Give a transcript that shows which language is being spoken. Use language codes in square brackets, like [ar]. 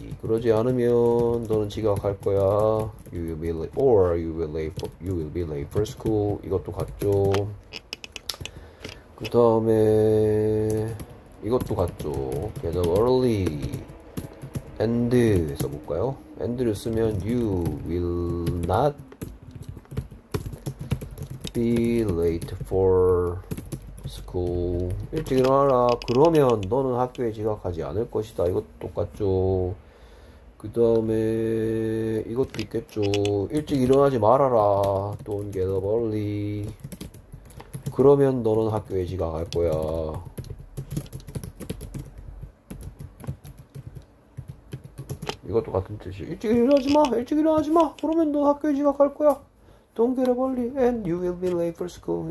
[ko] 그러지 않으면 너는 지각할 거야. [en] You will be late, or you will be late for school. [ko] 이것도 같죠. 그 다음에 이것도 같죠. [en] Get up early. And [ko] 써볼까요? And를 쓰면 [en] you will not be late for school. [ko] 일찍 일어나라. 그러면 너는 학교에 지각하지 않을 것이다. 이것도 똑같죠. 그 다음에 이것도 있겠죠. 일찍 일어나지 말아라. [en] Don't get up early. [ko] 그러면 너는 학교에 지각할 거야. 이것도 같은 뜻이에요. 일찍 일어나지 마! 일찍 일어나지 마! 그러면 너 학교에 지각할 거야! [en] Don't get up early and you will be late for school.